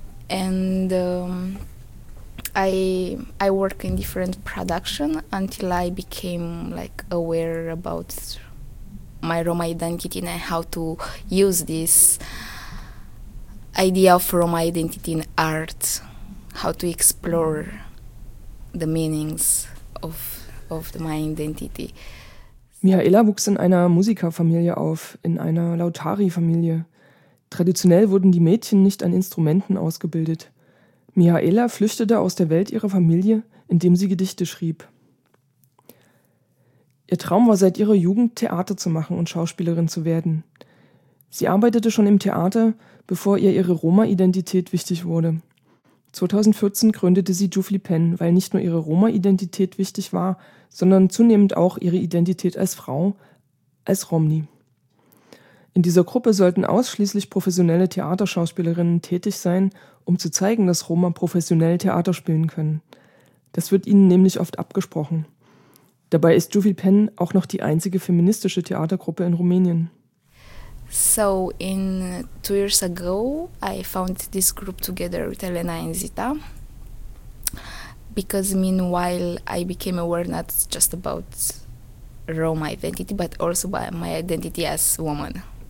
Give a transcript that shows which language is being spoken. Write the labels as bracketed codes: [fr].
[en] And I work in different production until I became like aware about my Roma identity and how to use this idea of Roma identity in art, how to explore the meanings of my identity. [de] Mihaela wuchs in einer Musikerfamilie auf, in einer Lautari-Familie. Traditionell wurden die Mädchen nicht an Instrumenten ausgebildet. Mihaela flüchtete aus der Welt ihrer Familie, indem sie Gedichte schrieb. Ihr Traum war seit ihrer Jugend, Theater zu machen und Schauspielerin zu werden. Sie arbeitete schon im Theater, bevor ihr ihre Roma-Identität wichtig wurde. 2014 gründete sie Jufli Pen, weil nicht nur ihre Roma-Identität wichtig war, sondern zunehmend auch ihre Identität als Frau, als Romni. In dieser Gruppe sollten ausschließlich professionelle Theaterschauspielerinnen tätig sein, um zu zeigen, dass Roma professionell Theater spielen können. Das wird ihnen nämlich oft abgesprochen. Dabei ist Jufli Pen auch noch die einzige feministische Theatergruppe in Rumänien. [en] So in 2 years ago, I found this group together with Elena and Zita. Because meanwhile, I became aware not just about Roma identity, but also by my identity as woman.